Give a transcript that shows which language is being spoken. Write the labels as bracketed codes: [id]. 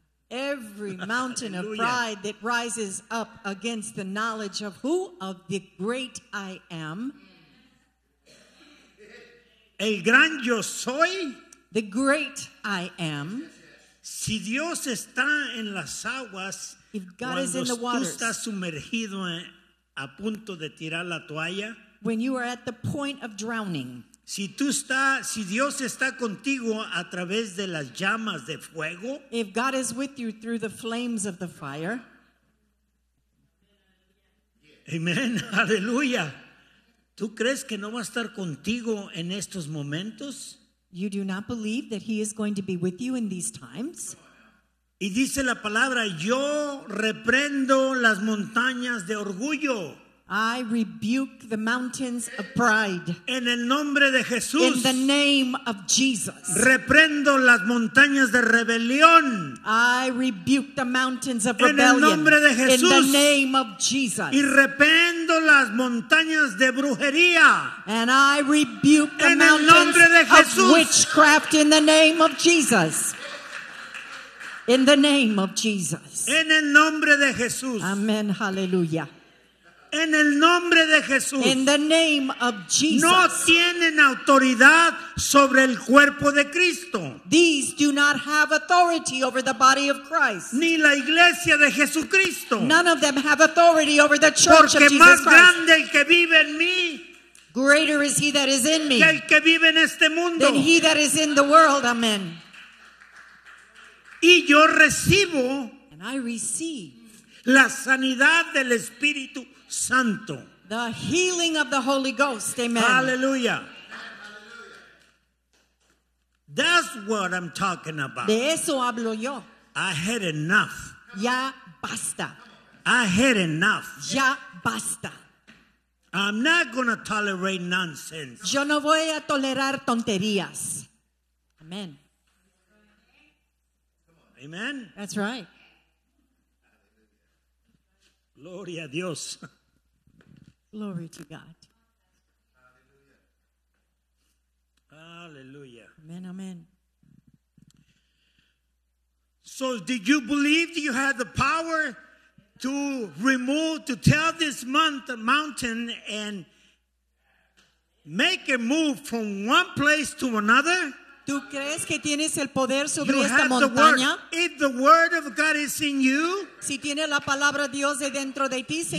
[en] Every mountain of pride that rises up against the knowledge of who of the great I am. [es] El gran yo soy. [en] The great I am. [es] Si Dios está en las aguas, [en] if God is in the waters, [es] cuando tú estás sumergido en a punto de tirar la toalla, [en] when you are at the point of drowning, [es] si tú estás, si Dios está contigo a través de las llamas de fuego, [en] if God is with you through the flames of the fire, [es] amen, aleluya. ¿Tú crees que no va a estar contigo en estos momentos? [en] You do not believe that he is going to be with you in these times? [es] Y dice la palabra, yo reprendo las montañas de orgullo. [en] I rebuke the mountains of pride. [es] En el nombre de Jesús. [en] In the name of Jesus. [es] Reprendo las montañas de rebelión. [en] I rebuke the mountains of rebellion. [es] En el nombre de Jesús. [en] In the name of Jesus. [es] Y reprendo las montañas de brujería. [en] And I rebuke the [es] en [en] mountains [es] el nombre de Jesús. [en] Of witchcraft in the name of Jesus. In the name of Jesus. [es] En el nombre de Jesús. [en] Amen, hallelujah. [es] En el nombre de Jesús. [en] In the name of Jesus. [es] No tienen autoridad sobre el cuerpo de Cristo. [en] These do not have authority over the body of Christ. [es] Ni la iglesia de Jesucristo. [en] None of them have authority over the church [es] Porque [en] of Jesus [es] más [en] Christ. [es] Grande el que vive en mí. [en] Greater is he that is in me. [es] Que el que vive en este mundo. [en] Than he that is in the world. Amen. [es] Y yo recibo [en] and I receive [es] la sanidad del Espíritu Santo. [en] The healing of the Holy Ghost. Amen. Hallelujah. That's what I'm talking about. [es] De eso hablo yo. [en] I had enough. [es] Ya basta. [en] I had enough. [es] Ya basta. [en] I'm not going to tolerate nonsense. [es] Yo no voy a tolerar tonterías. [en] Amen. Amen. That's right. [es] Gloria a Dios. [en] Glory to God. Hallelujah. Amen, amen. So did you believe you had the power to remove, to tell this mountain and make it move from one place to another? [es] ¿Tú crees que tienes el poder sobre esta montaña? [en] If the word of God is in you, [es] si tiene la palabra Dios de dentro de ti, se